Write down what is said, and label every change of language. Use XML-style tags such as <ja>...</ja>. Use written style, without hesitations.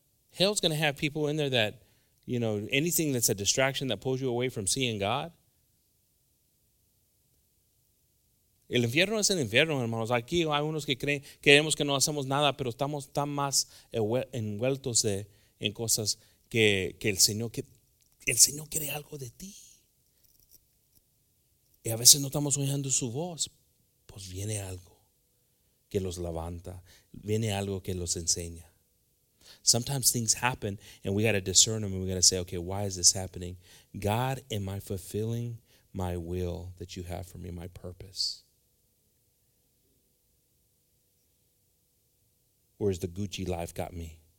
<en>Hell's going to have people in there that, you know, anything that's a distraction that pulls you away from seeing God.</en> <es>El infierno es el infierno, hermanos. Aquí hay unos que creen, creemos que no hacemos nada, pero estamos tan más envueltos en cosas que el Señor quiere algo de ti. Y a veces no estamos oyendo su voz. Pues viene algo que los levanta, viene algo que los enseña.</es> <en>Sometimes things happen and we got to discern them and we got to say, okay, why is this happening? God, am I fulfilling my will that you have for me, my purpose? Or is the Gucci life got me?</en>